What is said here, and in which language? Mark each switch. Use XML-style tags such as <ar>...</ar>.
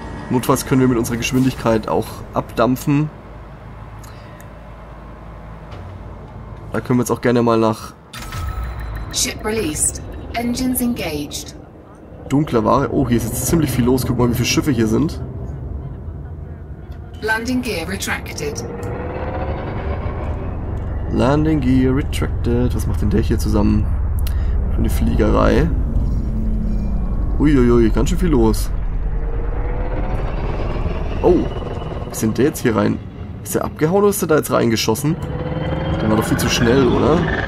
<de>Notfalls können wir mit unserer Geschwindigkeit auch abdampfen. Da können wir jetzt auch gerne mal nach</de> <en>Ship released. Engines engaged.</en> <de>Dunkler Ware. Oh, hier ist jetzt ziemlich viel los. Guck mal, wie viele Schiffe hier sind.</de> <en>Landing Gear retracted. Landing Gear retracted.</en> <de>Was macht denn der hier zusammen? Für eine Fliegerei. Uiuiui, ganz schön viel los. Oh, wie sind der jetzt hier rein? Ist der abgehauen oder ist der da jetzt reingeschossen? Der war doch viel zu schnell, oder?</de>